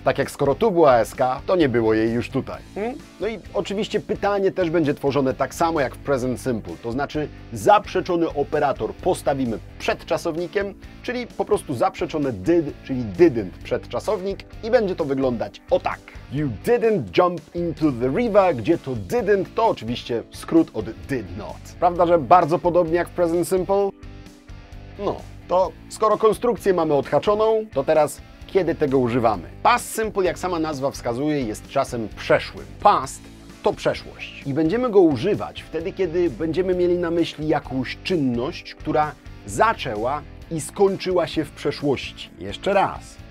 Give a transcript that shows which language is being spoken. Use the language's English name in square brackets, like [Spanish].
[Polish] Tak jak skoro tu była SK, to nie było jej już tutaj. No i oczywiście pytanie też będzie tworzone tak samo jak w present simple, to znaczy zaprzeczony operator postawimy przed czasownikiem, czyli po prostu zaprzeczone did, czyli didn't przed czasownik i będzie to wyglądać o tak. [English] You didn't jump into the river, [Polish] gdzie to didn't to oczywiście skrót od [English] did not. [Polish] Prawda, że bardzo podobnie jak w present simple? No. To skoro konstrukcję mamy odhaczoną, to teraz kiedy tego używamy? Past simple, jak sama nazwa wskazuje, jest czasem przeszłym. Past to przeszłość. I będziemy go używać wtedy, kiedy będziemy mieli na myśli jakąś czynność, która zaczęła i skończyła się w przeszłości. Jeszcze raz.